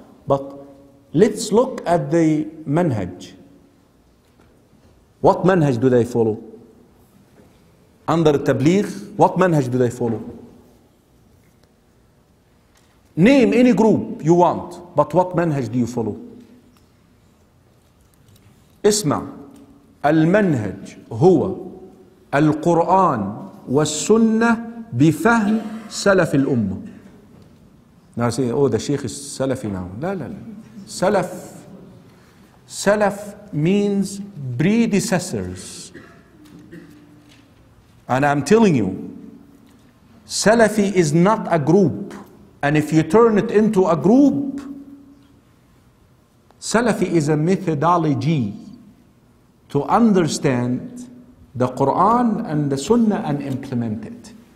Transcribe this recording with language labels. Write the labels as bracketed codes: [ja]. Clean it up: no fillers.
[en] But let's look at the manhaj. What manhaj do they follow? Under tabligh, what manhaj do they follow? Name any group you want, but what manhaj do you follow? [ar] اسمع المنهج هو القرآن والسنة بفهم سلف الأمة. [en] Now say, oh, the sheikh is salafi now. [ar] لا لا لا. سلف. سلف [en] means predecessors. And I'm telling you, Salafi is not a group. And if you turn it into a group, Salafi is a methodology to understand the Quran and the Sunnah and implement it.